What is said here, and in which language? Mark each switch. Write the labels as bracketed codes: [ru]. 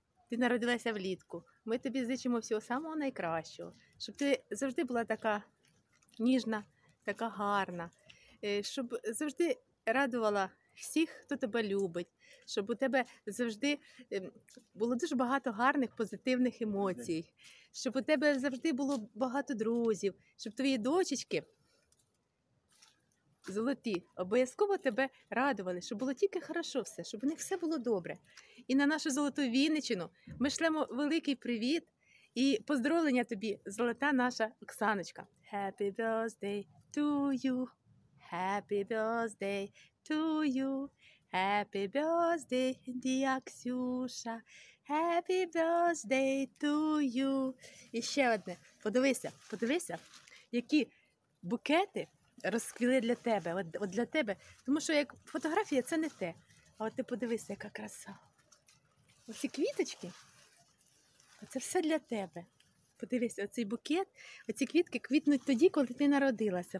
[uk] Ти народилася влітку. Ми тобі зичимо всього самого найкращого, щоб ти завжди була така ніжна, така гарна, щоб завжди радувала всіх, хто тебе любить, щоб у тебе завжди було дуже багато гарних, позитивних емоцій, щоб у тебе завжди було багато друзів, щоб твої дочечки золоті обов'язково тебе радували, щоб було тільки хорошо все, щоб у них все було добре. І на нашу золоту Вінничину ми шлемо великий привіт і поздоровлення тобі, золота наша Оксаночка. [en] Happy birthday to you, happy birthday to you, happy birthday, dear Ксюша, happy birthday to you. [uk] І ще одне, подивися, які букети розквіли для тебе, от для тебе. Тому що як фотографія, це не те. А от ти подивися, яка краса. Оці квіточки, це все для тебе. Подивися, оцей букет, оці квітки квітнуть тоді, коли ти народилася.